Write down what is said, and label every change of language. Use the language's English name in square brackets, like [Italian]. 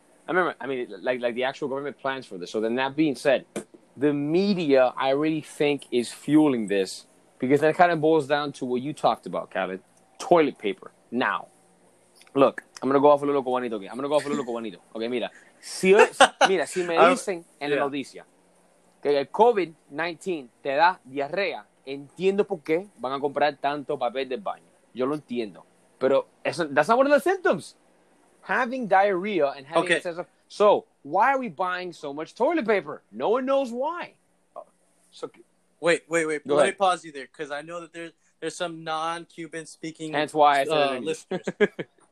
[English] I mean, like the actual government plans for this. So then that being said, the media, I really think, is fueling this, because that kind of boils down to what you talked about, Khaled. Toilet paper. Now, look, I'm going to go off a little guanito. Okay? I'm going to go off a little guanito. Okay, mira. [Spanish] Si me dicen en la noticia que el COVID-19 te da diarrea, entiendo por qué van a comprar tanto papel de baño. Yo lo entiendo. Pero eso, [English] that's not one of the symptoms. Having diarrhea and having excess of... So, why are we buying so much toilet paper? No one knows why. So, wait. Let me pause you there, because I know that there's some non-Cuban speaking listeners. That's why I said it.